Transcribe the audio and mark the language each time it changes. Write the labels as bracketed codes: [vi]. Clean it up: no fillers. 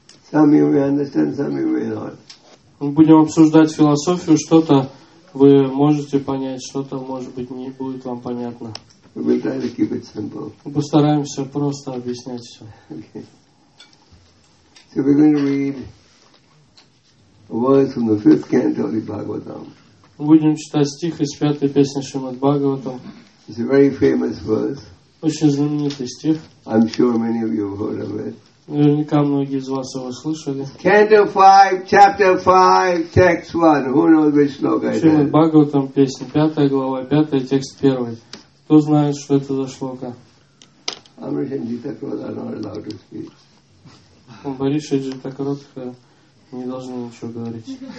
[en] Some you may understand, some you may not. [ru] Мы будем обсуждать философию, что-то вы можете понять, что-то, может быть, не будет вам понятно. [en] We'll try to keep it simple. [ru] Мы постараемся просто объяснять все. [en] Okay. So we're going to read words from the fifth canto of the Bhagavatam. [ru] Будем читать стих из пятой песни Шримад Бхагаватам. [en] It's a very famous verse. [ru] Очень знаменитый стих. [en] I'm sure many of you have heard of it. [ru] Наверняка многие из вас его слышали. [en] Canto 5, chapter 5, text 1. Who knows which slogan? [ru] Шримад Бхагаватам, песня пятая глава, пятый текст первый. Кто знает, что это за шлока? [en] Amrita and Jita Krodh are not allowed to speak. [ru] Бориша и Джита Кротха не должны ничего говорить.